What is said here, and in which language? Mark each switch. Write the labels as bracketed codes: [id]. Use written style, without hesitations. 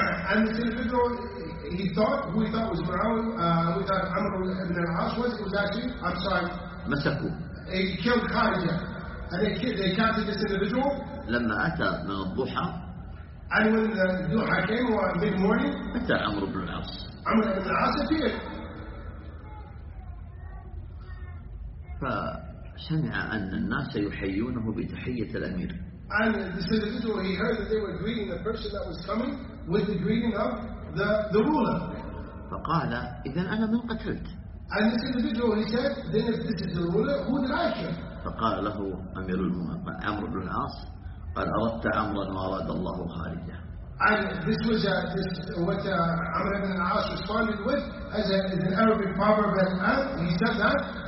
[en] And this individual, he thought was Muawiyah, who thought Amr ibn al-As was actually, I'm sorry. [ar] مسكوا. [en] He killed خارجة. And they captured this individual. [ar] لما أتى من الضحى. [en] And when the ضحى came, or mid morning. [ar] أتى عمر بن العاص. [en] عمر بن العاص appeared. [ar] فسمع أن الناس يحيونه بتحية الأمير. [en] And this individual, he heard that they were greeting the person that was coming with the greeting of the ruler. [ar] فقال إذا أنا من قتلت. [en] And this individual, he said, then if this is the ruler, who did I kill? [ar] فقال له أمير المؤمنين عمر بن العاص قال أردت عمرا وأراد الله خارجه. [en] And this was what عمر بن العاص responded with as an Arabic proverb, and he said that.